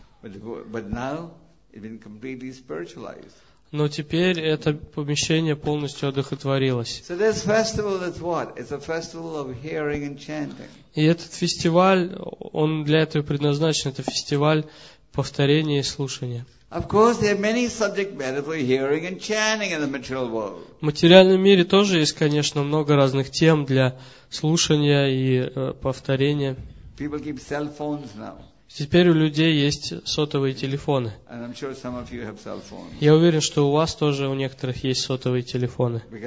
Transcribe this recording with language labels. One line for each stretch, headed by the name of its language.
English: But now it's been completely spiritualized.
Russian: Но теперь это помещение полностью одухотворилось.
English: So this festival is what? It's a festival of hearing and chanting.
Russian: И этот фестиваль, он для этого предназначен. Это фестиваль повторения и слушания.
English: Of course, there are many subject matter for hearing and chanting in the material world.
Russian: В материальном мире тоже есть, конечно, много разных тем для слушания и повторения.
English: People keep cell phones now.
Russian: Теперь у людей есть сотовые телефоны.
English: Sure,
Russian: я уверен, что у вас тоже у некоторых есть сотовые телефоны.